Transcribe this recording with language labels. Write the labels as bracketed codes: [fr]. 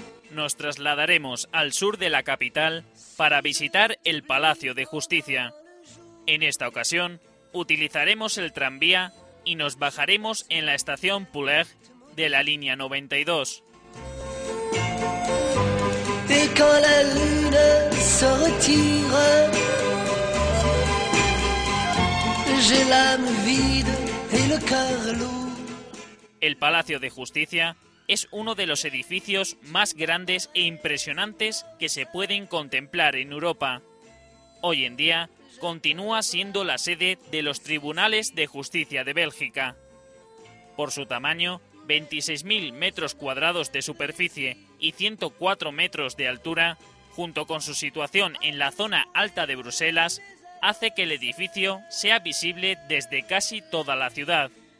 [es] Nos trasladaremos al sur de la capital para visitar el Palacio de Justicia. En esta ocasión, utilizaremos el tranvía y nos bajaremos en la estación Poulenc de la línea 92. [fr] Et quand la lune se retire, j'ai l'âme vide et le cœur lourd. [es] El Palacio de Justicia es uno de los edificios más grandes e impresionantes que se pueden contemplar en Europa. Hoy en día, continúa siendo la sede de los Tribunales de Justicia de Bélgica. Por su tamaño, 26.000 metros cuadrados de superficie y 104 metros de altura, junto con su situación en la zona alta de Bruselas, hace que el edificio sea visible desde casi toda la ciudad.